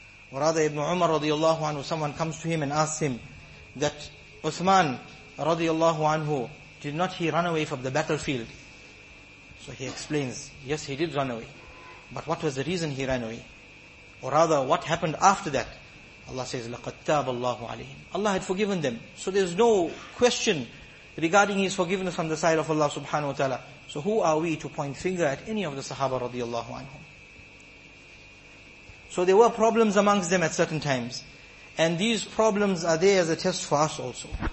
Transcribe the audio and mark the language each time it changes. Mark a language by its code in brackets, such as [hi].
[en] Or rather Ibn Umar radiallahu anhu, someone comes to him and asks him that Uthman radiallahu anhu, did not he run away from the battlefield? So he explains, yes, he did run away. But what was the reason he ran away? Or rather, what happened after that? Allah says, [ar] لَقَدْ تَابَ اللَّهُ عَلَيْهِمْ. [en] Allah had forgiven them. So there's no question regarding his forgiveness on the side of Allah subhanahu wa ta'ala. So who are we to point finger at any of the Sahaba radiallahu anhum? So there were problems amongst them at certain times. And these problems are there as a test for us also.